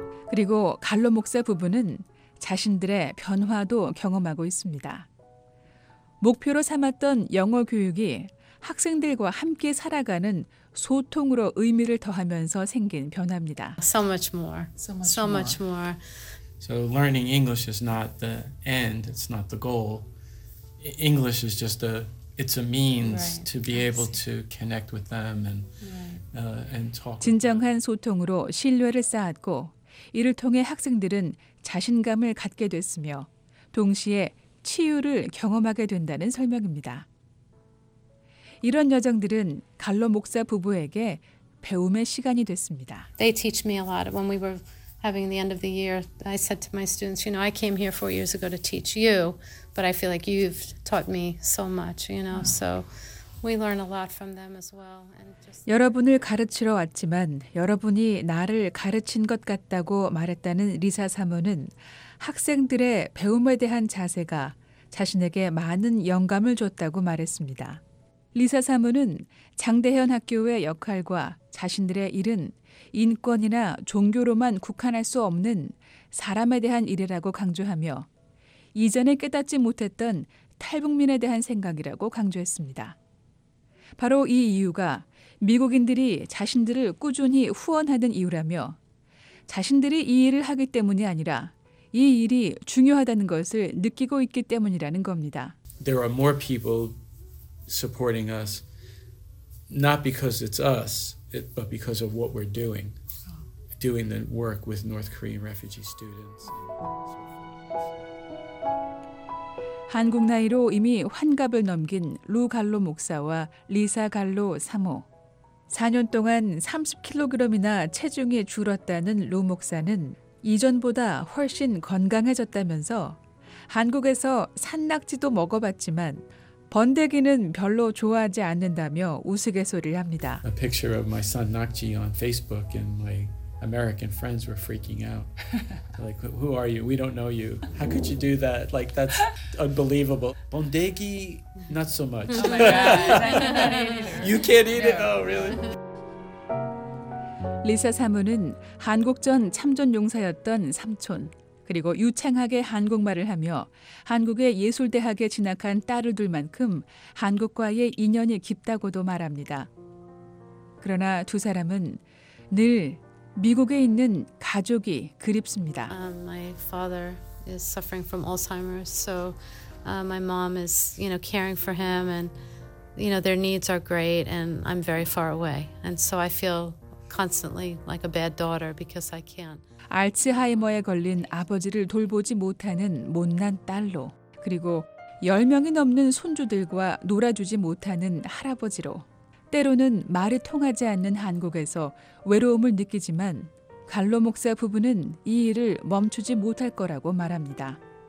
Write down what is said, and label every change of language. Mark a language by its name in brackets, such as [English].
[Korean] 그리고 갈로 목사 부부는 자신들의 변화도 경험하고 있습니다. 목표로 삼았던 영어 교육이 학생들과 함께 살아가는 소통으로 의미를 더하면서 생긴 변화입니다. [English] So much more. So much, so much more. So learning English is not the end, it's not the goal. English is just it's a means right. to be able to connect with them and right. And talk. [Korean] 진정한 소통으로 신뢰를 쌓았고 이를 통해 학생들은 자신감을 갖게 됐으며 동시에 치유를 경험하게 된다는 설명입니다. 이런 여정들은 갈로 목사 부부에게 배움의 시간이 됐습니다. [English] They teach me a lot. When we were having the end of the year, I said to my students, you know, I came here 4 years ago to teach you, but I feel like you've taught me so much, you know. So we learn a lot from them as well. And just... [Korean] 여러분을 가르치러 왔지만 여러분이 나를 가르친 것 같다고 말했다는 리사 사모는 학생들의 배움에 대한 자세가 자신에게 많은 영감을 줬다고 말했습니다. 리사 사모는 장대현 학교의 역할과 자신들의 일은 인권이나 종교로만 국한할 수 없는 사람에 대한 일이라고 강조하며 이전에 깨닫지 못했던 탈북민에 대한 생각이라고 강조했습니다. 바로 이 이유가 미국인들이 자신들을 꾸준히 후원하는 이유라며 자신들이 이 일을 하기 때문이 아니라 이 일이 중요하다는 것을 느끼고 있기 때문이라는 겁니다. [English] There are more people supporting us, not because it's us, but because of what we're doing, doing the work with North Korean refugee students. [Korean] 한국 나이로 이미 환갑을 넘긴 루 갈로 목사와 리사 갈로 사모. 4년 동안 30kg이나 체중이 줄었다는 루 목사는 이전보다 훨씬 건강해졌다면서 한국에서 산낙지도 먹어봤지만 번데기는 별로 좋아하지 않는다며 우스갯소리를 합니다. [English] A picture of my son Nakji on Facebook and my American friends were freaking out. Like, who are you? We don't know you. How could you do that? Like, that's unbelievable. 번데기, not so much. You can't eat it? Oh, really? [Korean] 리사 사모는 한국전 참전용사였던 삼촌, 그리고 유창하게 한국말을 하며 한국의 예술대학에 진학한 딸을 둘 만큼 한국과의 인연이 깊다고도 말합니다. 그러나 두 사람은 늘 미국에 있는 가족이 그립습니다. [English] My father is suffering from Alzheimer's, so my mom is, you know, caring for him, and you know their needs are great, and I'm very far away, and so I feel constantly like a bad daughter because I can't. [Korean] 알츠하이머에 걸린 아버지를 돌보지 못하는 못난 딸로, 그리고 열 명이 넘는 손주들과 놀아주지 못하는 할아버지로. 때로는 말이 통하지 않는 한국에서 외로움을 느끼지만 갈로 목사 부부는 이 일을 멈추지 못할 거라고 말합니다.